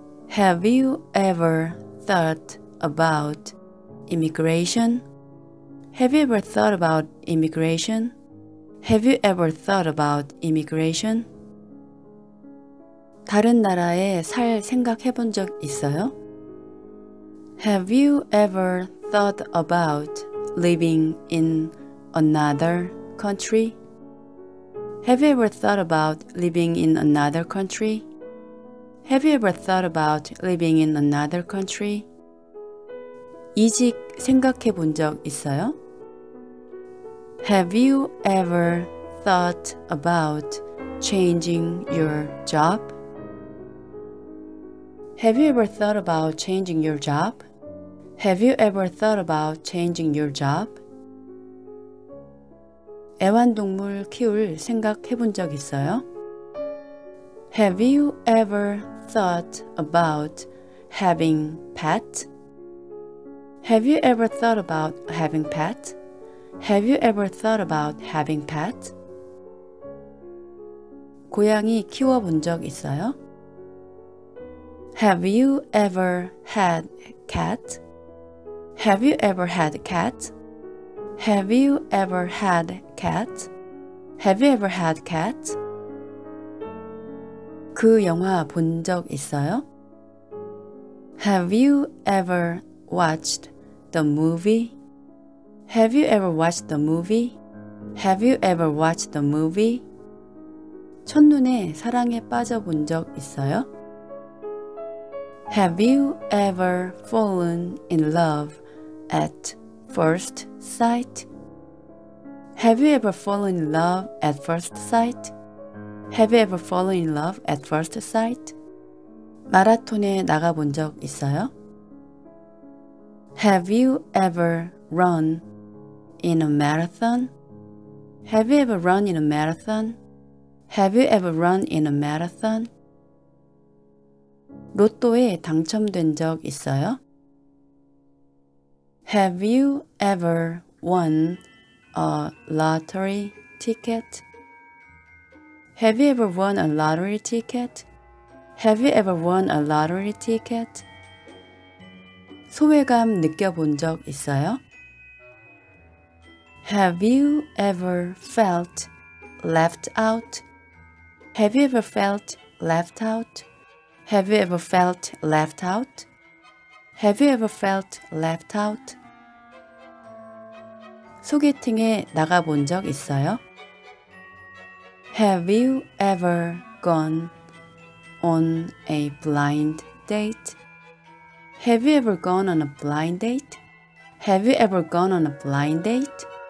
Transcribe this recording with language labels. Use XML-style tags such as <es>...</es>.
<en>Have you ever thought about immigration? Have you ever thought about immigration? Have you ever thought about immigration?</en> <ko>다른 나라에 살 생각해 본 적 있어요?</ko> <en>Have you ever thought about living in another country? Have you ever thought about living in another country? Have you ever thought about living in another country?</en> <ko>이직 생각해 본 적 있어요?</ko> <en>Have you ever thought about changing your job? Have you ever thought about changing your job? Have you ever thought about changing your job?</en> <ko>애완동물 키울 생각해 본 적 있어요?</ko> <en>Have you ever thought about having pet? Have you ever thought about having pet? Have you ever thought about having pet?</en> <ko>고양이 키워 본 적 있어요?</ko> <en>Have you ever had a cat? Have you ever had a cat? Have you ever had a cat? Have you ever had a cat?</en> <ko>그 영화 본 적 있어요?</ko> <en>Have you ever watched the movie? Have you ever watched the movie? Have you ever watched the movie?</en> <ko>첫눈에 사랑에 빠져 본 적 있어요?</ko> <en>Have you ever fallen in love at first sight? Have you ever fallen in love at first sight? Have you ever fallen in love at first sight?</en> <ko>마라톤에 나가 본 적 있어요?</ko> <en>Have you ever run in a marathon? Have you ever run in a marathon? Have you ever run in a marathon?</en> <ko>로또에 당첨된 적 있어요?</ko> <en>Have you ever won a lottery ticket? Have you ever won a lottery ticket? Have you ever won a lottery ticket?</en> <ko>소외감 느껴본 적 있어요?</ko> <en>Have you ever felt left out? Have you ever felt left out? Have you ever felt left out? Have you ever felt left out?</en> <ko>소개팅에 나가 본 적 있어요?</ko> <en>Have you ever gone on a blind date? Have you ever gone on a blind date? Have you ever gone on a blind date?</en>